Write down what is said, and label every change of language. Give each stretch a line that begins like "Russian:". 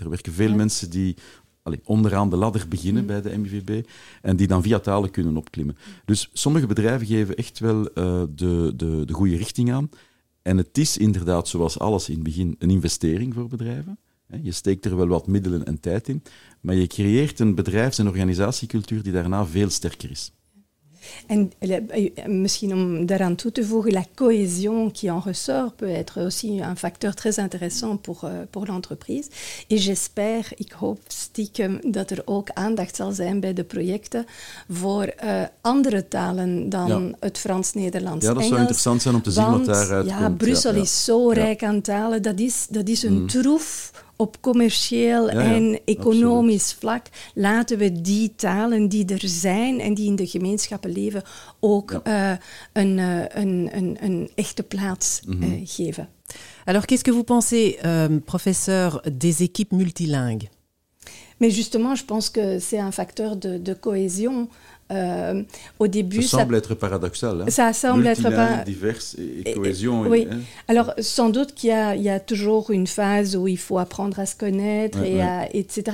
Dutch: Er werken veel mensen die onderaan de ladder beginnen bij de MIVB en die dan via talen kunnen opklimmen. Dus sommige bedrijven geven echt wel de goede richting aan. En het is inderdaad, zoals alles in het begin, een investering voor bedrijven. Je steekt er wel wat middelen en tijd in, maar je creëert een bedrijfs- en organisatiecultuur die daarna veel sterker is. En misschien om daaraan toe te voegen,
French: la cohésion qui en ressort peut être aussi un facteur très intéressant pour l'entreprise. Et j'espère,
Dutch: ik hoop stiekem, dat er ook aandacht zal zijn bij de projecten voor andere talen dan het Frans, Nederlands, Engels. Ja, dat zou interessant zijn om te zien wat daaruit komt. Brussel is zo rijk aan talen, dat is een troef. Op commercieel en economisch vlak laten we die talen die er zijn en die in de gemeenschappen leven ook een echte plaats geven.
French: Alors, qu'est-ce que vous pensez, professeur, des équipes multilingues? Mais justement, je pense que c'est un facteur de cohésion. Au début, ça semble être paradoxal. Hein? Ça semble être pas divers et cohésion. Oui. Alors, sans doute qu'il y a toujours une phase où il faut apprendre à se connaître etc.